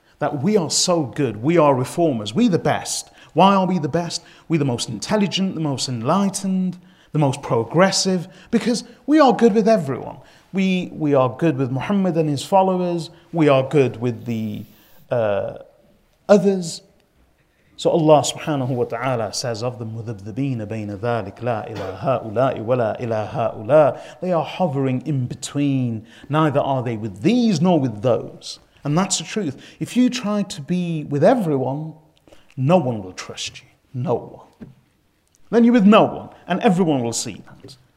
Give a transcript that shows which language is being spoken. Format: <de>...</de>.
<en>that we are so good, we are reformers, we the best. Why are we the best? We the most intelligent, the most enlightened, the most progressive, because we are good with everyone. We are good with Muhammad and his followers. We are good with the others. So Allah subhanahu wa ta'ala says of them,</en> <ar>مُذَبْذَبِينَ بَيْنَ ذَٰلِكَ لَا إِلَىٰ هَٰؤُلَاءِ وَلَا إِلَىٰ هَٰؤُلَاءِ.</ar> <en>They are hovering in between. Neither are they with these nor with those. And that's the truth. If you try to be with everyone, no one will trust you. No one. Then you're with no one, and everyone will see that.</en>